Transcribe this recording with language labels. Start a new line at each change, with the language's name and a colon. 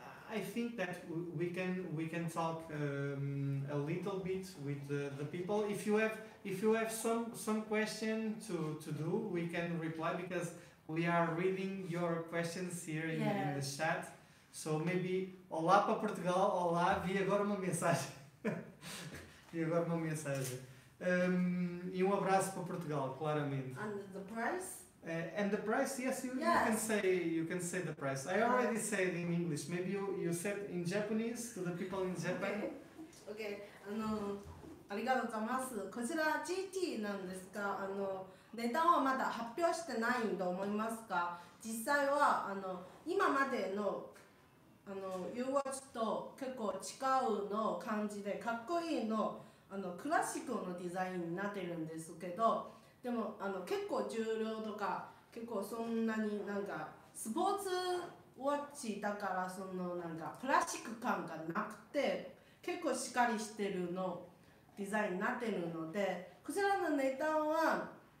English: I think that we can talk a little bit with the people. If you have some question to do, we can reply, because we are reading your questions here in the chat. So maybe
Portuguese: olá para Portugal, olá, vi agora uma mensagem. E agora uma mensagem. E um abraço para Portugal, claramente.
English: And the price? And the price, yes. you can say the price. I already said in English. Maybe you said in Japanese to the people in Japan. Okay.
Japanese: ありがとうございます。こちら GT なんですが、値段はまだ発表してないと思いますが、実際は今まで の U-Watch と結構違うの感じで、かっこいいのクラシックのデザインになってるんですけど、でも結構重量とか結構そんなになんかスポーツウォッチだから、そのなんかクラシック感がなくて結構しっかりしてるのデザインになってるので、こちらの値段は